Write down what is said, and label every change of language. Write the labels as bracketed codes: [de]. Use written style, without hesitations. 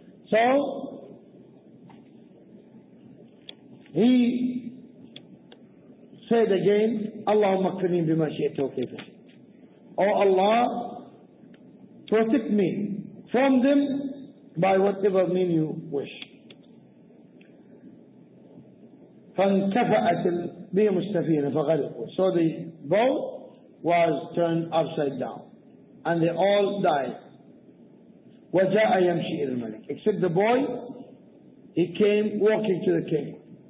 [en] So he said again, [ar] Allahumma kfinihim bima shi'ta wa kayfa shi'ta. [en] Oh Allah, protect me from them by whatever mean you wish. [ar] فانكفأت بهم السفينة فغرقوا. [en] So the boat was turned upside down and they all died. [ar] وَجَاءَ يَمْشِي إِلَى الْمَلِكِ. [en] Except the boy, he came walking to the king.